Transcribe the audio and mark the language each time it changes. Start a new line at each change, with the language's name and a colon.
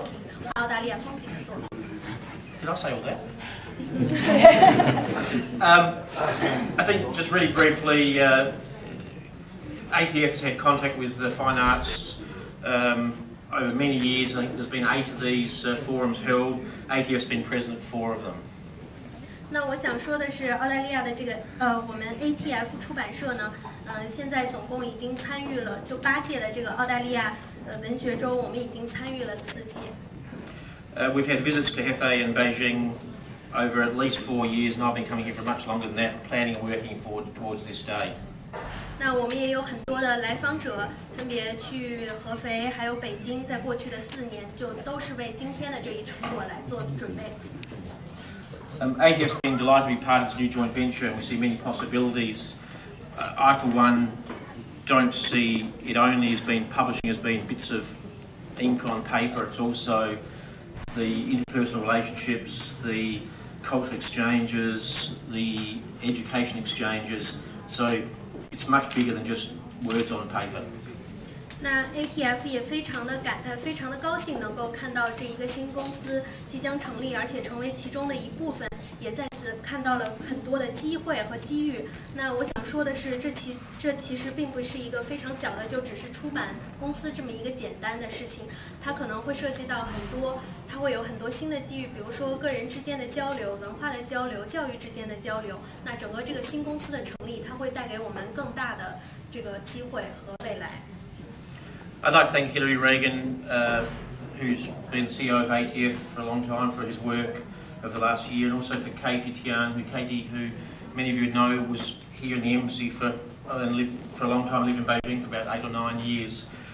English: I think just really briefly, ATF has had contact with the fine arts over many years. I think there's been 8 of these forums held. ATF's been present at 4 of them.
Chinese: 那我想说的是，澳大利亚的这个我们ATF出版社呢，现在总共已经参与了就八届的这个澳大利亚文学周，我们已经参与了4届。
English: We've had visits to Hefei and Beijing over at least 4 years, and I've been coming here for much longer than that, planning and working forward towards this day.
Chinese: 那我们也有很多的来访者，分别去合肥还有北京，在过去的4年，就都是为今天的这一成果来做准备。
English: ATF's been delighted to be part of this new joint venture, and we see many possibilities. I, for one, don't see it only as being publishing as being bits of ink on paper. It's also the interpersonal relationships, the cultural exchanges, the education exchanges. So it's much bigger than just words on paper.
Chinese: 那 ATF 也非常的高兴能够看到这一个新公司即将成立，而且成为其中的一部分，也再次看到了很多的机会和机遇。那我想说的是，这其实并不是一个非常小的，就只是出版公司这么一个简单的事情，它可能会涉及到很多，它会有很多新的机遇，比如说个人之间的交流、文化的交流、教育之间的交流。那整个这个新公司的成立，它会带给我们更大的这个机会和未来。
English: I'd like to thank Hillary Regan, who's been CEO of ATF for a long time, for his work over the last year, and also for Katie Tian, who many of you know was here in the embassy for a long time, lived in Beijing for about 8 or 9 years.